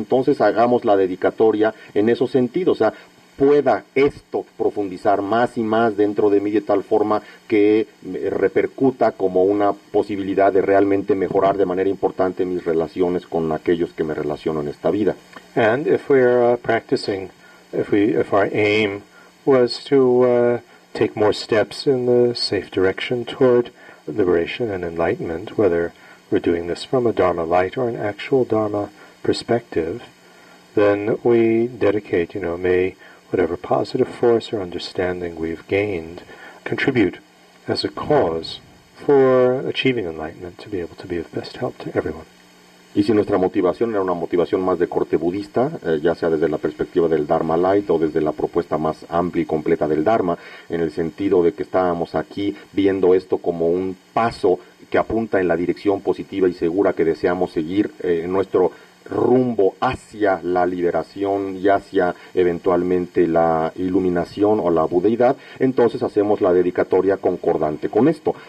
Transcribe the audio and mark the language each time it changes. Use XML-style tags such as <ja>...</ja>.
<es>Entonces, hagamos la dedicatoria en esos sentidos, o sea, pueda esto profundizar más y más dentro de mí de tal forma que repercuta como una posibilidad de realmente mejorar de manera importante mis relaciones con aquellos que me relaciono en esta vida.</es> <en>And if we're practicing, if our aim was to take more steps in the safe direction toward liberation and enlightenment, whether we're doing this from a Dharma light or an actual Dharma perspective, then we dedicate, you know, may whatever positive force or understanding we've gained contribute as a cause for achieving enlightenment to be able to be of best help to everyone.</en> <es>Y si nuestra motivación era una motivación más de corte budista, ya sea desde la perspectiva del Dharma Light o desde la propuesta más amplia y completa del Dharma, en el sentido de que estábamos aquí viendo esto como un paso que apunta en la dirección positiva y segura que deseamos seguir en nuestro rumbo hacia la liberación y hacia eventualmente la iluminación o la budeidad, entonces hacemos la dedicatoria concordante con esto.</es>